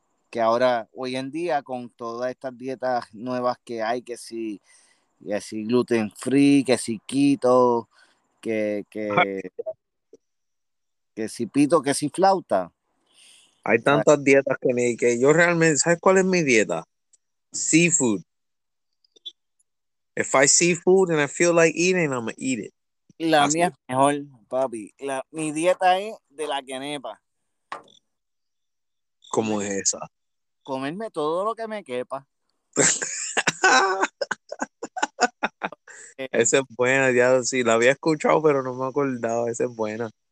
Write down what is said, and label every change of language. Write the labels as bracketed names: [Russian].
[Spanish] Que ahora, hoy en día, con todas estas dietas nuevas que hay, que si gluten free, que si keto, que si pito, que si flauta. Hay tantas dietas que yo realmente, ¿sabes cuál es mi dieta? [English] Seafood. If I see food and I feel like eating, I'm going to eat it. [Spanish] La mía es mejor, papi. Mi dieta es de la quenepa. ¿Cómo es esa? Comerme todo lo que me quepa. Esa es buena, ya sí, la había escuchado, pero no me acordaba, esa es buena.